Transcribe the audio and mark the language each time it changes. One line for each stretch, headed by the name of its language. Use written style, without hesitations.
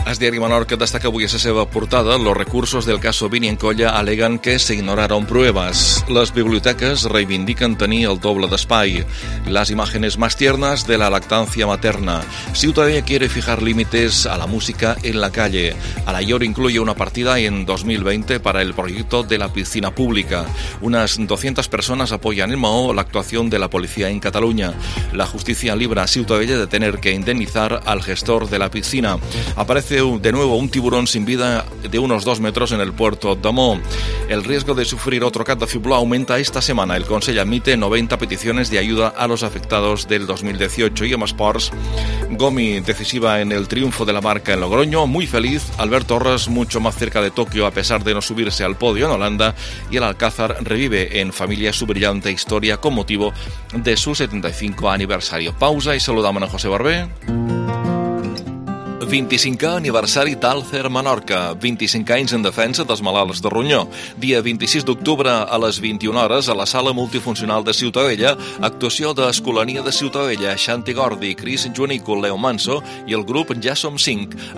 Catalan: El diari Menorca destaca avui a la seva portada.
Spanish: Los recursos del caso Vini en Colla aleguen que se ignoraron pruebas.
Catalan: Les biblioteques reivindiquen tenir el doble d'espai.
Spanish: Las imágenes más tiernas de la lactancia materna. Ciutadella quiere fijar límites a la música en la calle. Alaior incluye una partida en 2020 para el proyecto de la piscina pública. Unas 200 personas apoyan en Mahó la actuación de la policía en Cataluña. La justicia libra a Ciutadella de tener que indemnizar al gestor de la piscina. Aparece de nuevo un tiburón sin vida de unos 2 metros en el puerto de Mahó. El riesgo de sufrir otro cat de fibló aumenta esta semana. El Consell admite 90 peticiones de ayuda a los afectados del 2018. Y en esports, Gomi decisiva en el triunfo de la marca en Logroño. Muy feliz Albert Torres, mucho más cerca de Tokio a pesar de no subirse al podio en Holanda. Y el Alcázar revive en familia su brillante historia con motivo de su 75 aniversario. Pausa y saludamos a José Barbé.
Catalan: 25è aniversari d'Alzer Menorca. 25 anys en defensa dels malalts de ronyó. Dia 26 d'octubre a les 21 hores a la sala multifuncional de Ciutadella, actuació d'Escolania de Ciutadella, Xanti Gordi, Cris Junico, Leo Manso i el grup Ja Som 5.